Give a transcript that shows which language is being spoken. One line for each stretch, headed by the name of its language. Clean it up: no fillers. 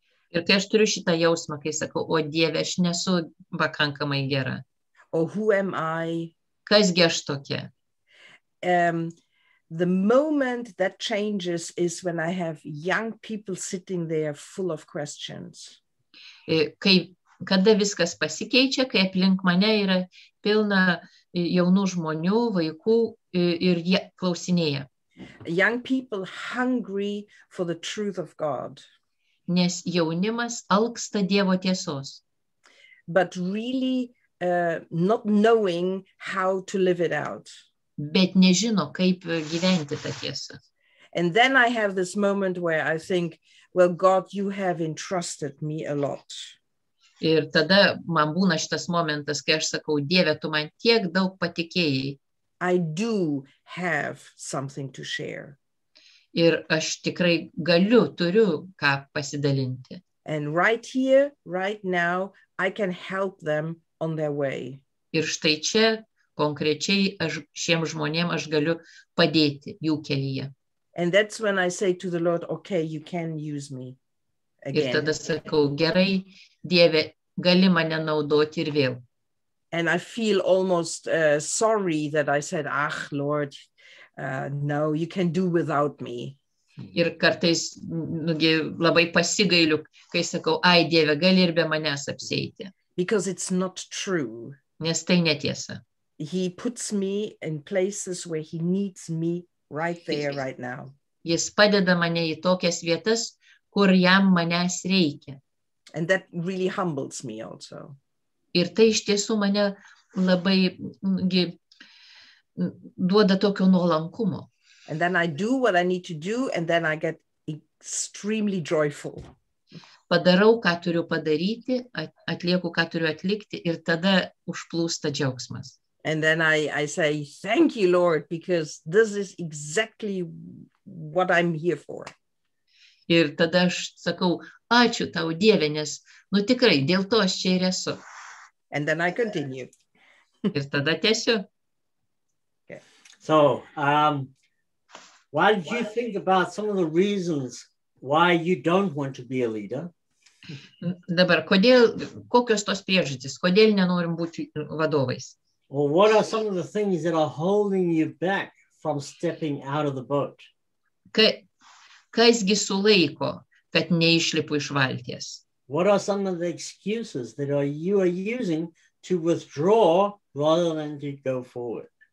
Lithuanian: Ir kai aš turiu šitą jausmą, kai sakau, o Dieve, aš nesu pakankamai gera.
English: O who am I?
Lithuanian: Kasgi aš tokia?
English: The moment that changes is when I have young people sitting there full of questions.
Lithuanian: Kada viskas pasikeičia, kai aplink mane yra pilna jaunų žmonių, vaikų ir jie klausinėja.
English: Young people hungry for the truth of God.
Lithuanian: Nes jaunimas alksta Dievo tiesos.
English: But really not knowing how to live it out.
Lithuanian: Bet nežino, kaip gyventi tą tiesą.
English: And then I have this moment where I think, well, God, you have entrusted me a lot.
Lithuanian: Ir tada man būna šitas momentas, kai aš sakau, Dieve, tu man tiek daug patikėjai.
English: I do have something to share.
Lithuanian: Ir aš tikrai galiu, turiu ką pasidalinti.
English: And right here, right now, I can help them on their way.
Lithuanian: Ir štai čia, konkrečiai, aš šiem žmonėm aš galiu padėti jų kelyje.
English: And that's when I say to the Lord, okay, you can use me again.
Lithuanian: Ir tada sakau, gerai, Dieve, gali mane naudoti ir vėl.
English: And I feel almost sorry that I said, ach, Lord, no, you can do without me.
Lithuanian: Ir kartais nugi labai pasigailiu, kai sakau, ai, Dieve, gali ir be manęs apsieiti.
English: Because it's not true.
Lithuanian: Nes tai netiesa.
English: He puts me in places where he needs me right there, right now.
Lithuanian: Jis padeda mane į tokias vietas, kur jam manęs reikia.
English: And that really humbles me also.
Lithuanian: Ir tai iš tiesų mane labai gi, duoda tokio nuolankumo.
English: And then I do what I need to do, and then I get extremely joyful.
Lithuanian: Padarau, ką turiu padaryti, atlieku, ką turiu atlikti, ir tada užplūsta džiaugsmas.
English: And then I say, thank you, Lord, because this is exactly what I'm here for.
Lithuanian: Ir tada aš sakau, ačiū tau, Dieve, nes, nu tikrai, dėl to aš čia ir esu.
English: And then I continue.
Lithuanian: Ir tada tiesiu.
English: Okay. So, why did you think about some of the reasons why you don't want to be a leader?
Lithuanian: Dabar, kodėl, kokios tos priežastys, kodėl nenorim būti vadovais?
English: Or what are some of the things that are holding you back from stepping out of the boat?
Lithuanian: Kasgi sulaiko, kad neišlipu iš valties?
English: What are some of the excuses that are you are using to withdraw rather than to go forward?